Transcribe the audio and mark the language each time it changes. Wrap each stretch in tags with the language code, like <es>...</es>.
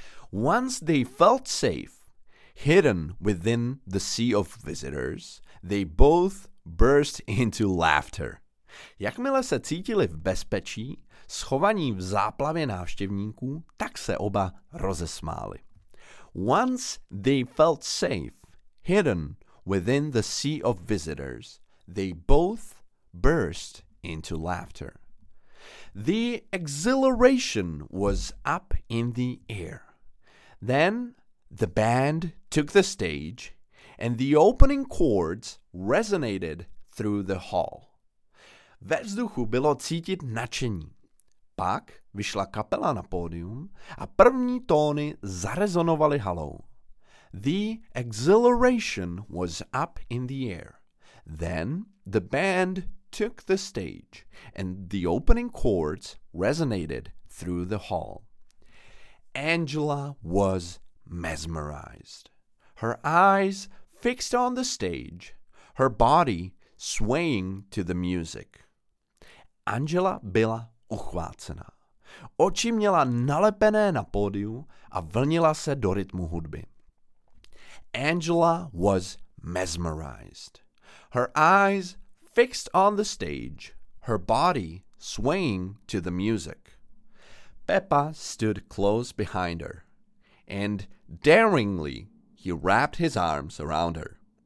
<en>Once they felt safe, hidden within the sea of visitors, they both burst into laughter.</en> <cs>Jakmile se cítili v bezpečí, schovaní v záplavě návštěvníků, tak se oba rozesmáli.</cs> <en>Once they felt safe, hidden within the sea of visitors, they both burst into laughter. The exhilaration was up in the air. Then the band took the stage and the opening chords resonated through the hall.</en> <cs>Ve vzduchu bylo cítit nadšení. Pak vyšla kapela na pódium a první tóny zarezonovaly halou.</cs> <en>The exhilaration was up in the air. Then the band took the stage and the opening chords resonated through the hall. Angela was mesmerized. Her eyes fixed on the stage, her body swaying to the music.</en> <cs>Angela byla uchvácená. Oči měla nalepené na pódiu a vlnila se do rytmu hudby.</cs> <en>Angela was mesmerized. Her eyes fixed on the stage, her body swaying to the music. Peppa stood close behind her, and daringly he wrapped his arms around her.</en>